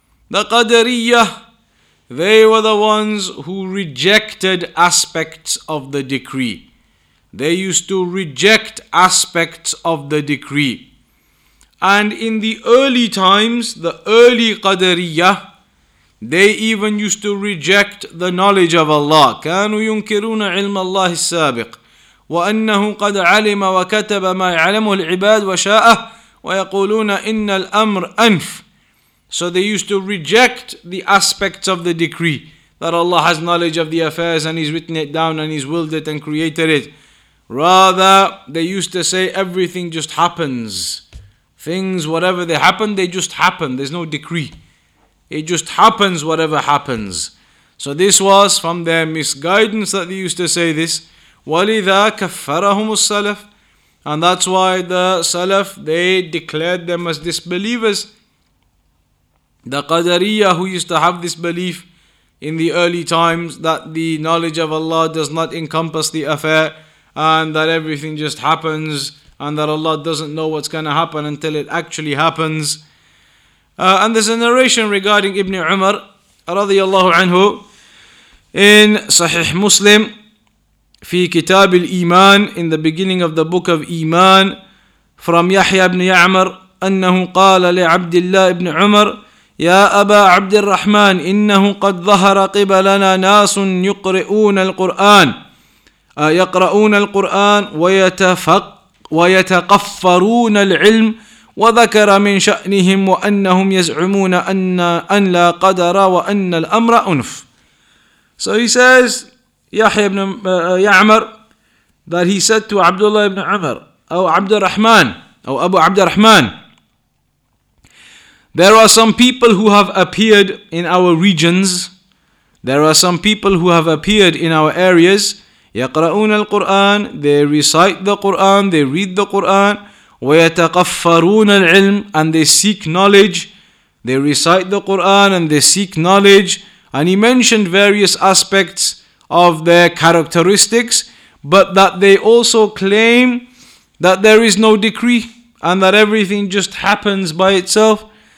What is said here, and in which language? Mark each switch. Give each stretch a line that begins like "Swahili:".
English: The Qadariyah, they were the ones who rejected aspects of the decree. They used to reject aspects of the decree. And in the early times, the early Qadariyah, they even used to reject the knowledge of Allah.
Arabic: كانوا ينكرون علم الله السابق وأنه قد علم وكتب ما يعلمه العباد وشاءه ويقولون إن الأمر أنف.
English: So they used to reject the aspects of the decree that Allah has knowledge of the affairs and He's written it down and He's willed it and created it. Rather, they used to say everything just happens. Things, whatever they happen, they just happen. There's no decree. It just happens, whatever happens. So this was from their misguidance that they used to say this.
Arabic: وَلِذَا كَفَّرَهُمُ السَّلَفِ.
English: And that's why the Salaf, they declared them as disbelievers. The Qadariyah, who used to have this belief in the early times, that the knowledge of Allah does not encompass the affair, and that everything just happens, and that Allah doesn't know what's going to happen until it actually happens. And there's a narration regarding Ibn Umar radiyallahu anhu in Sahih Muslim, fi Kitab al-Iman, in the beginning of the book of Iman, from Yahya ibn Ya'mar,
Arabic: أنه قال لعبد الله
English: ibn Umar,
Arabic: يا أبا عبد الرحمن إنه قد ظهر قبلنا ناس يقرؤون القرآن يقرؤون القرآن ويتقفرون العلم وذكر من شأنهم وأنهم يزعمون أن لا قدر وأن الأمر أنف.
English: So he says, Yahya ibn Ya'mar, that he said to Abdullah ibn Umar,
Arabic: أو عبد الرحمن, أو أبو عبد الرحمن,
English: there are some people who have appeared in our regions, there are some people who have appeared in our areas,
Arabic: يقرؤون القرآن,
English: they recite the Qur'an, they read the Qur'an,
Arabic: ويتقفرون العلم,
English: and they seek knowledge, they recite the Qur'an and they seek knowledge, and he mentioned various aspects of their characteristics, but that they also claim that there is no decree, and that everything just happens by itself.